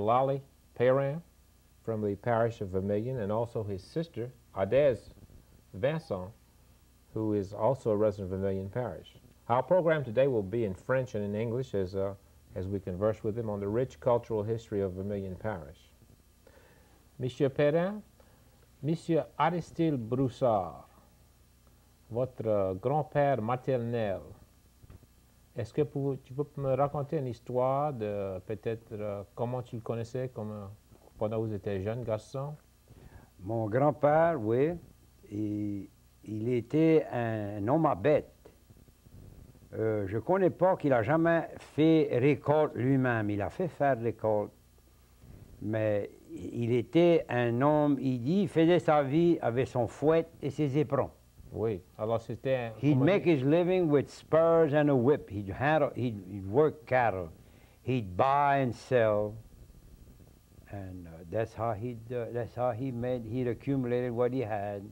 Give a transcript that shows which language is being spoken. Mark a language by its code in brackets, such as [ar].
[en] Lolly Perrin from the parish of Vermilion, and also his sister, Edez Vincent, who is also a resident of Vermilion Parish. Our program today will be in French and in English as we converse with them on the rich cultural history of Vermilion Parish. [fr] Monsieur Perrin, Monsieur Aristide Broussard, votre grand-père maternel, est-ce que tu peux me raconter une histoire de peut-être comment tu le connaissais comme, pendant que vous étiez jeune garçon? Mon grand-père, oui, il était un homme à bête. Je ne connais pas qu'il a jamais fait récolte lui-même. Il a fait faire récolte, mais il était un homme, il faisait sa vie avec son fouet et ses éperons. Oui. Alors c'était un, [en] he'd make his living with spurs and a whip. He'd work cattle. He'd buy and sell. And that's how he accumulated what he had.